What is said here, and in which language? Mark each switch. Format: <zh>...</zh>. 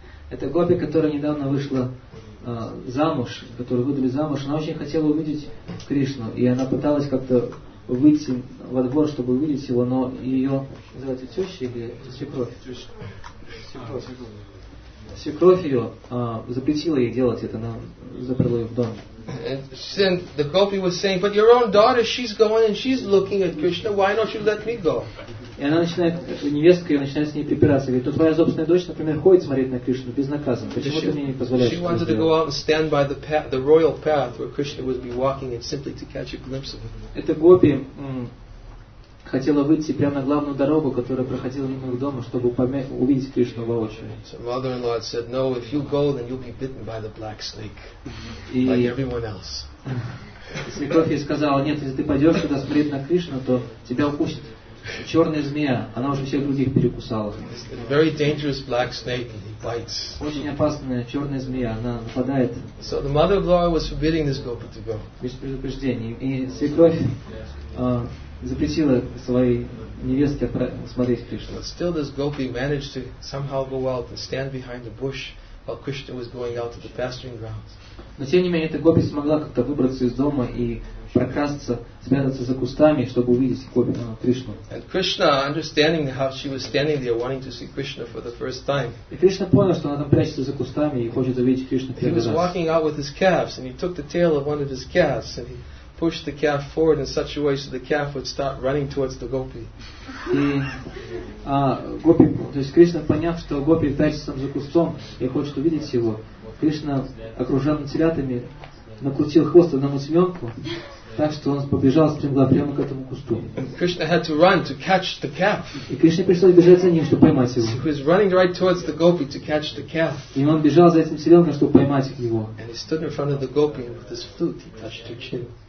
<ru>Это гопи, которая недавно вышла замуж, которую выдали замуж, она очень хотела увидеть Кришну, и она пыталась как-то выйти во двор, чтобы увидеть его, но ее звать теща или свекровь ее запретила ей делать это, она заперла ее в доме.</ru> <en>And then the gopi was saying, but your own daughter, she's going and she's looking at Krishna, why don't you let me go?</en> <ru>И она начинает, невестка ее начинает с ней припираться. Говорит, тут твоя собственная дочь, например, ходит смотреть на Кришну безнаказанно. Почему ты мне не позволяешь?</ru> <en>She wanted to go out and stand by the royal path where Krishna would be walking and simply to catch a glimpse of him.</en> <ru>Эта гопи хотела выйти прямо на главную дорогу, которая проходила мимо их дома, чтобы увидеть Кришну воочию.</ru> <en>So mother-in-law said, no, if you go, then you'll be bitten by the black snake, like everyone else.</en> <ru>Свекровь ей сказала, нет, если ты пойдешь туда смотреть на Кришну, то тебя укусит черная змея, она уже всех других перекусала.</ru> <en>Very dangerous black snake, and he bites.</en> <ru>Очень опасная черная змея, она нападает.</ru> <en>So the mother-in-law was forbidding this gopi to go.</en> <ru>Без предупреждения. И свекровь запретила своей невестке смотреть Кришну.</ru> <en>But still this gopi managed to somehow go out and stand behind the bush while Krishna was going out to the pasturing grounds.</en> <ru>Но тем не менее эта гопи смогла как-то выбраться из дома и прокрасться, спрятаться за кустами, чтобы увидеть Кришну.</ru> <en>And Krishna, understanding how she was standing there wanting to see Krishna for the first time.</en> <ru>И Кришна понял, что она там прячется за кустами и хочет увидеть Кришну первый раз.</ru> <en>He was walking out with his calves and he took the tail of one of his calves and he pushed the calf forward in such a way so the calf would start running towards the gopi.</en> <ru>Гопи, то есть Кришна, поняв, что гопи прячется за кустом и хочет увидеть его, Кришна, окруженный телятами, накрутил хвост одному теленку, так что он побежал с прямо к этому кусту.</ru> <en>Krishna had to run to catch the calf.</en> <ru>И Кришне пришлось бежать за ним, чтобы поймать его.</ru> <en>He was running right towards the gopi to catch the calf.</en> <ru>И он бежал за этим теленком, чтобы поймать его.</ru> <en>And he stood in front of the gopi with his flute. He touched her chin.</en>